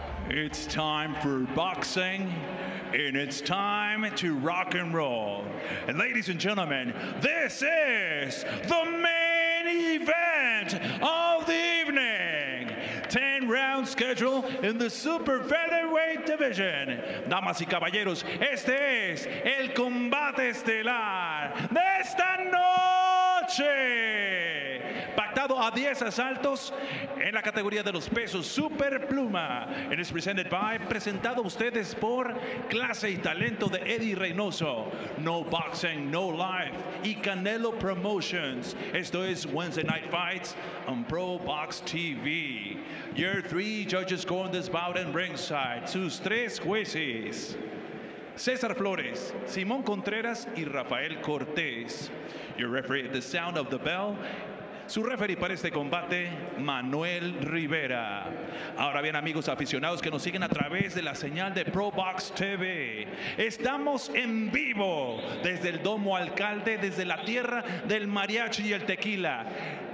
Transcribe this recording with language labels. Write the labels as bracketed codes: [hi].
[en] It's time for boxing, and it's time to rock and roll. And ladies and gentlemen, this is the main event of the evening. 10-round schedule in the super featherweight division. [es] Damas y caballeros, este es el combate estelar de esta noche. Pactado a 10 asaltos en la categoría de los pesos super pluma. [en] It is presented by, [es] presentado a ustedes por clase y talento de Eddie Reynoso. No boxing, no life. Y Canelo Promotions. Esto es Wednesday Night Fights on ProBox TV. [en] Your 3 judges go on this bout and ringside. [es] Sus 3 jueces: [en] Cesar Flores, Simón Contreras y Rafael Cortés. Your referee at the sound of the bell. [es] Su referee para este combate, Manuel Rivera. Ahora bien, amigos aficionados que nos siguen a través de la señal de ProBox TV. Estamos en vivo desde el Domo Alcalde, desde la tierra del mariachi y el tequila.